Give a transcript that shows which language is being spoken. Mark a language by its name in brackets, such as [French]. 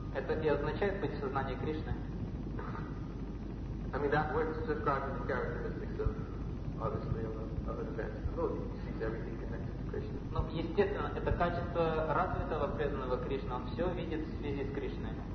[Russian] Это и означает быть в сознании Кришны. [English] I mean, that works just describing the characteristics of, obviously, of advanced devotee. He sees everything connected to Krishna. [Russian] Ну, естественно, это качество развитого преданного Кришны. Он все видит в связи с Кришной.